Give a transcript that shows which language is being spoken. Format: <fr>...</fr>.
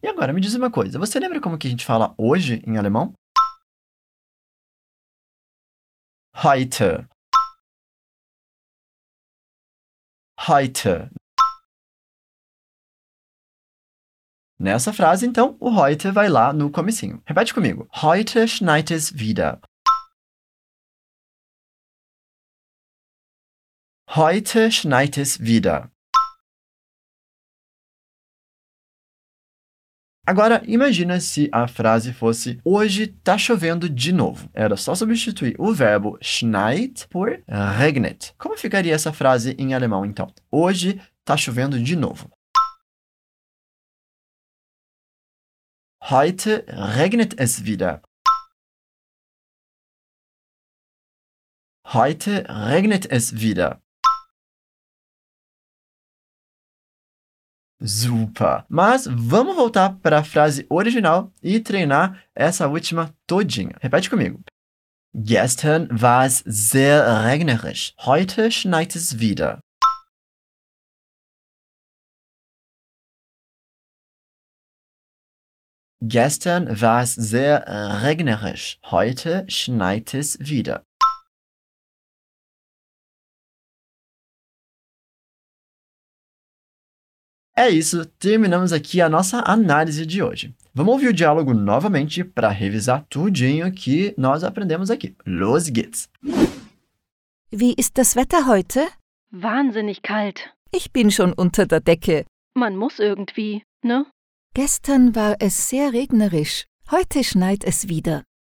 <pt>E agora me diz uma coisa, você lembra como que a gente fala hoje em alemão?</pt> <de>Heute. Heute.</de> <pt>Nessa frase, então, o heute vai lá no comecinho. Repete comigo.</pt> <de>Heute schneit es wieder. Heute schneit es wieder.</de> <pt>Agora, imagina se a frase fosse hoje tá chovendo de novo. Era só substituir o verbo schneit por regnet. Como ficaria essa frase em alemão, então? Hoje tá chovendo de novo.</pt> <de>Heute regnet es wieder. Heute regnet es wieder.</de> <pt>Super! Mas vamos voltar para a frase original e treinar essa última todinha. Repete comigo.</pt> <de>Gestern war es sehr regnerisch. Heute schneit es wieder. Gestern war es sehr regnerisch. Heute schneit es wieder.</de> <pt>É isso, terminamos aqui a nossa análise de hoje. Vamos ouvir o diálogo novamente para revisar tudinho que nós aprendemos aqui.</pt> <de>Los geht's! Wie ist das Wetter heute? Wahnsinnig kalt. Ich bin schon unter der Decke. Man muss irgendwie, ne? Gestern war es sehr regnerisch. Heute schneit es wieder.</de>